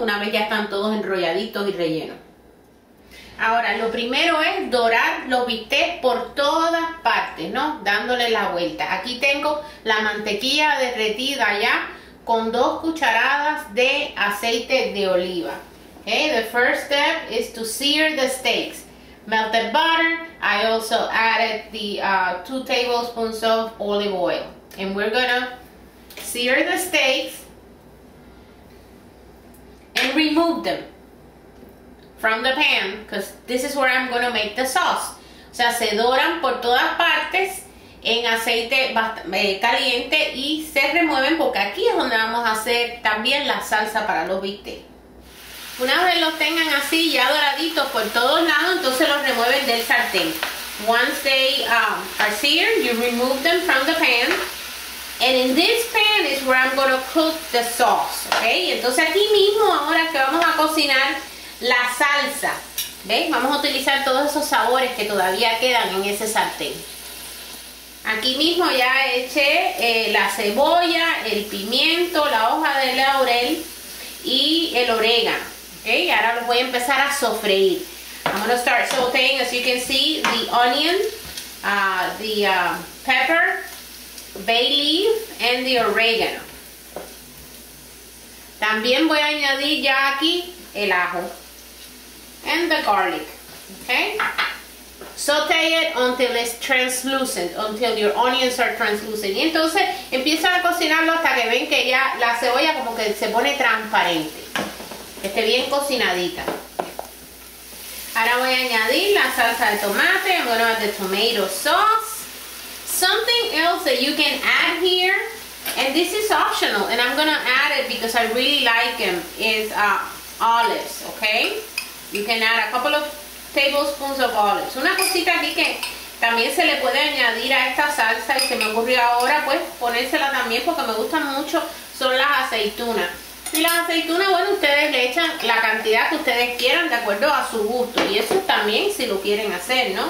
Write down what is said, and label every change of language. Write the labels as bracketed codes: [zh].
[es] Una vez ya están todos enrolladitos y rellenos. Ahora, lo primero es dorar los bistecs por todas partes, ¿no? Dándole la vuelta. Aquí tengo la mantequilla derretida ya con dos cucharadas de aceite de oliva. [en] Okay, the first step is to sear the steaks. Melted butter. I also added the 2 tablespoons of olive oil. And we're gonna sear the steaks and remove them from the pan, because this is where I'm going to make the sauce. [es] O sea, se doran por todas partes en aceite caliente y se remueven porque aquí es donde vamos a hacer también la salsa para los bistecs. Una vez los tengan así ya doraditos por todos lados, entonces los remueven del sartén. [en] Once they are seared, you remove them from the pan. And in this pan is where I'm going to cook the sauce, okay? [es] Entonces aquí mismo, ahora que vamos a cocinar la salsa, ¿ves? Vamos a utilizar todos esos sabores que todavía quedan en ese sartén. Aquí mismo ya eché la cebolla, el pimiento, la hoja de laurel y el orégano. Okay, ahora lo voy a empezar a sofreír. [en] I'm going to start sauteing, as you can see, the onion, the pepper, bay leaf, and the oregano. [es] También voy a añadir ya aquí el ajo [en] and the garlic, [es] okay? [en] Saute it until it's translucent, until your onions are translucent. [es] Y entonces empiezan a cocinarlo hasta que ven que ya la cebolla como que se pone transparente, que esté bien cocinadita. Ahora voy a añadir la salsa de tomate, [en] I'm going to add the tomato sauce. Something else that you can add here, and this is optional, and I'm going to add it because I really like them, is olives, okay? You can add a couple of tablespoons of olives. [es] Una cosita aquí que también se le puede añadir a esta salsa y se me ocurrió ahora, pues ponérsela también porque me gustan mucho, son las aceitunas. Y las aceitunas, bueno, ustedes le echan la cantidad que ustedes quieran de acuerdo a su gusto. Y eso también si lo quieren hacer, ¿no?